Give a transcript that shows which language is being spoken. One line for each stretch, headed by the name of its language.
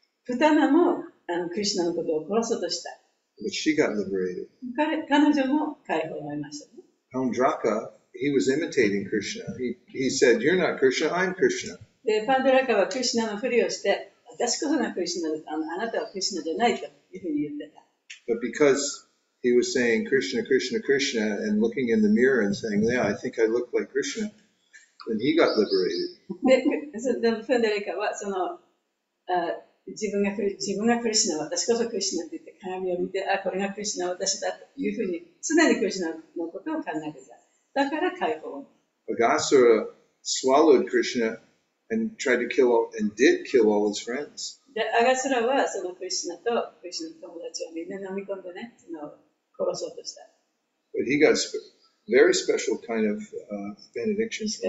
Japanese: Putana もクリシナのことを殺そうとした。
English: But she got liberated.
Japanese: 彼女も解放を得ました、ね。
English: Pandraka, he was imitating Krishna. He said, "You're not Krishna, I'm Krishna."
Japanese: で、パンドラカはクリシナのふりをして、私こそがクリシナ、あなたはクリシナじゃないというふうに言ってた。
English: But because he was saying Krishna, Krishna, Krishna, and looking in the mirror and saying, "Yeah, I think I look like Krishna." Then he got liberated.
Japanese: で、フェデリカはその自分がクリシナ、私こそクリシナって言って鏡を見て、あ、これがクリシナ私だというふうに常にクリシナのことを考えてた。だから解放。
English: Bagasura swallowed Krishna and tried to kill all, and did kill all his friends.
Japanese: で、アガスラはそのクリシナの友達をみんな飲み込んでね、
English: But he got very special kind of benediction.